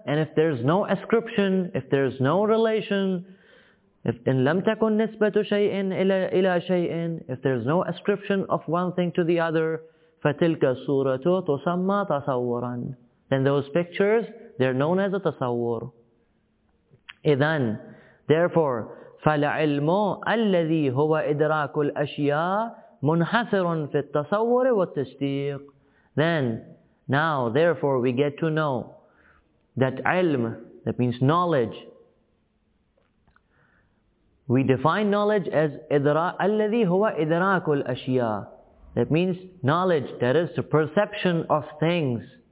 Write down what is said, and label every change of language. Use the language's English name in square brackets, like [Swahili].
[English] And if there's no ascription, if there's no relation, if in [Arabic] لَمْ تَكُنْ نِسْبَةُ شَيْءٍ إِلَى شَيْءٍ, [English] if there's no ascription of one thing to the other, [Arabic] فَتِلْكَ الصُّورَةُ تُسَمَّى تَصَوُّرًا, [English] then those pictures, they're known as a tasawwur. [Arabic] إِذَنْ, therefore, فَالْعِلْمُ الَّذِي هُوَ إِدْرَاكُ الْأَشْيَاءِ مُنْحَصِرٌ فِي التَّصَوُّرِ وَالتَّشْتِيقِ. [English] Then, now, therefore, we get to know that ilm, that means knowledge. We define knowledge as [Arabic] الَّذِي هُوَ إِدْرَاكُ الْأَشْيَاءِ. [English] That means knowledge, that is the perception of things.